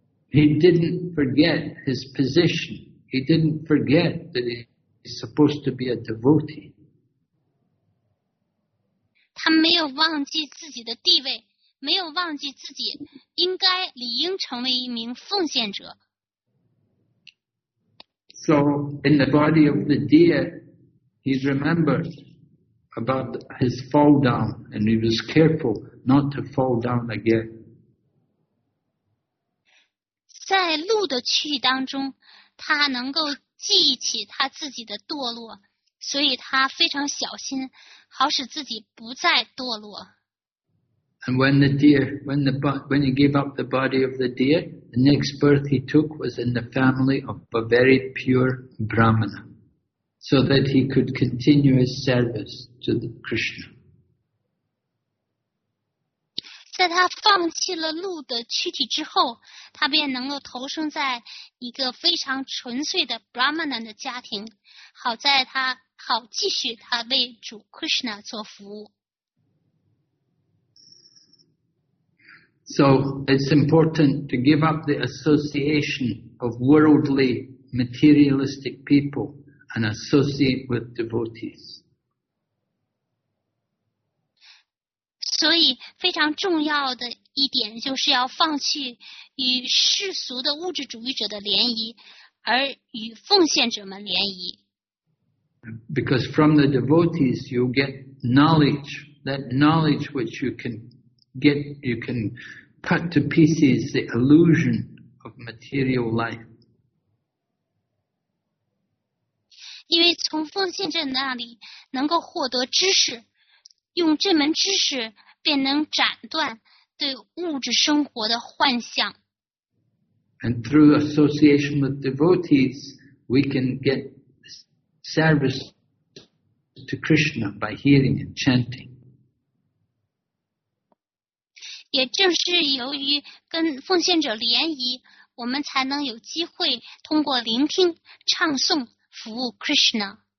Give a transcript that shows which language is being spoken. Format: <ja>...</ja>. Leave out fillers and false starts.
<en>He didn't forget his position. He didn't forget that he is supposed to be a devotee.</en> <zh>他没有忘记自己的地位，没有忘记自己应该理应成为一名奉献者。</zh> <en>So in the body of the deer, he remembered about his fall down, and he was careful not to fall down again.</en> <zh>在鹿的躯体当中，他能够记起他自己的堕落。所以他非常小心，好使自己不再堕落。</zh> <en>And when the deer, when he gave up the body of the deer, the next birth he took was in the family of a very pure Brahmana, so that he could continue his service to the Krishna.</en> <zh>在他放弃了鹿的躯体之后，他便能够投生在一个非常纯粹的 Brahmana 的家庭，好在他。好，继续他为主 Krishna 做服务。</zh> <en>So it's important to give up the association of worldly, materialistic people and associate with devotees.</en> <zh>所以非常重要的一点就是要放弃与世俗的物质主义者的联谊，而与奉献者们联谊。</zh> <en>Because from the devotees you get knowledge, that knowledge which you can get, you can cut to pieces the illusion of material life.</en> <zh>因为从奉献者那里能够获得知识，用这门知识便能斩断对物质生活的幻象。</zh> <en>And through association with devotees, we can get. Service to Krishna by hearing and chanting.</en> <zh>也正是由于跟奉献者联谊，我们才能有机会通过聆听、唱诵服务 Krishna.</zh>